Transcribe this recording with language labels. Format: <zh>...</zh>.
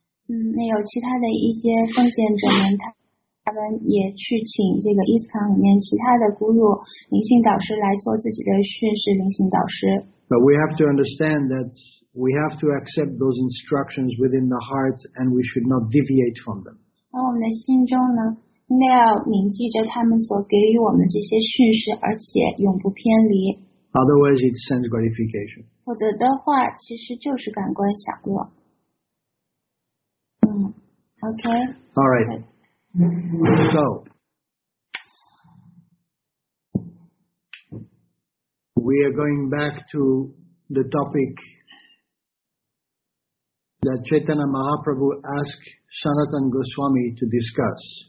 <zh>那有其他的一些奉献者们，他们也去请这个 ISKCON 里面其他的 guru 灵性导师来做自己的训示灵性导师。</zh> <en>But we have to understand that we have to accept those instructions within the heart and we should not deviate from them.</en> <zh>那我们的心中呢，应该要铭记着他们所给予我们这些训示，而且永不偏离。</zh> <en>Otherwise, it's sense gratification.</en> <zh>否则的话，其实就是感官享乐。</zh> <en>OK. All right. So, we are going back to the topic that Chaitanya Mahaprabhu asked Sanatana Goswami to discuss.</en>